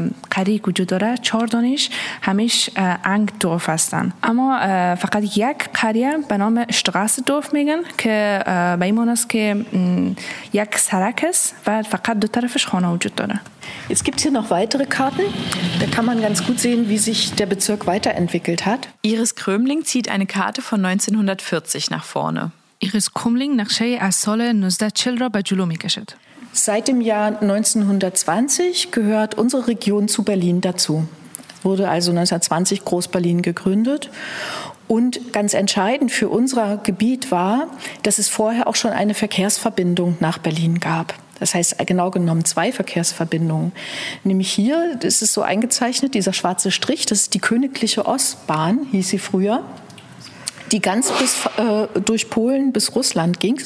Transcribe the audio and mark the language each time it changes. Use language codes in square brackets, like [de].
[fa] قریه که وجود داره چهار دانش همیش انگدورف هستن، اما فقط یک قریه به نام اشتغاس دورف میگن که به این معنی است که یک سرک است و فقط دو طرفش خانه وجود داره. [de] Jetzt gibt's hier noch weitere Karten. Da kann man ganz gut sehen, wie sich der Bezirk weiterentwickelt hat. Iris Krömling zieht eine Karte von 1940 nach vorne. [fa] Iris Krömling نقشه از سال 1940 را به جلو میکشد. [de] Seit dem Jahr 1920 gehört unsere Region zu Berlin dazu. Wurde also 1920 Groß-Berlin gegründet. Und ganz entscheidend für unser Gebiet war, dass es vorher auch schon eine Verkehrsverbindung nach Berlin gab. Das heißt genau genommen zwei Verkehrsverbindungen. Nämlich hier ist es so eingezeichnet, dieser schwarze Strich, das ist die Königliche Ostbahn, hieß sie früher, die ganz bis durch Polen bis Russland ging.